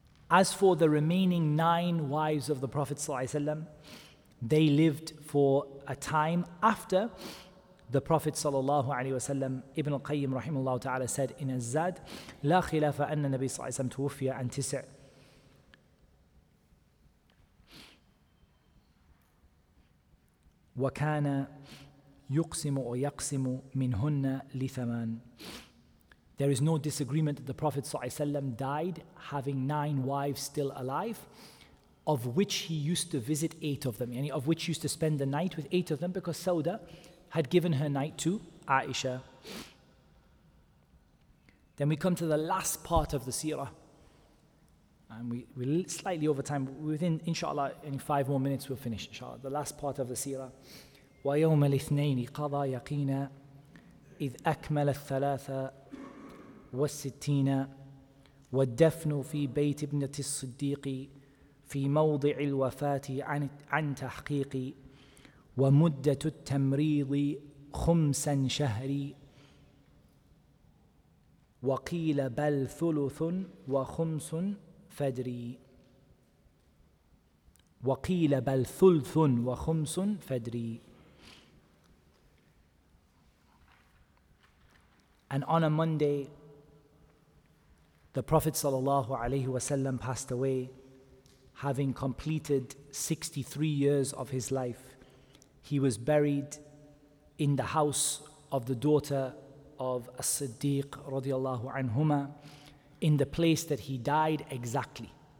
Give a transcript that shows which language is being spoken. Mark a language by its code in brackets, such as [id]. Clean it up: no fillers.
[en] As for the remaining nine wives of the Prophet ﷺ, they lived for a time after the Prophet ﷺ. Ibn al-Qayyim rahimahullah ta'ala said in Az-Zad, [ar] لا خلاف أن النبي صلى الله عليه وسلم توفي عن تسع. وكان يقسم أو يقسم منهن لثمان. [en] There is no disagreement that the Prophet ﷺ died having nine wives still alive, of which he used to visit eight of them, yani of which he used to spend the night with eight of them, because Sauda had given her night to Aisha. Then we come to the last part of the seerah. And we're slightly over time. Within, inshallah, in 5 more minutes, we'll finish, inshallah. The last part of the seerah. [ar] وَيَوْمَ الْإِثْنَيْنِ قَضَى يَقِينَ إِذْ أَكْمَلَ الثَّلَاثَ والستين والدفن في بيت ابنة الصديق في موضع الوفاة عن تحقيق ومدة التمريض خمسا شهري وقيل بل ثلث وخمس فدري وقيل بل ثلث وخمس فدري. [en] And on a Monday, the Prophet sallallahu alaihi wasallam passed away, having completed 63 years of his life. He was buried in the house of the daughter of As-Siddiq radiallahu anhuma, in the place that he died exactly.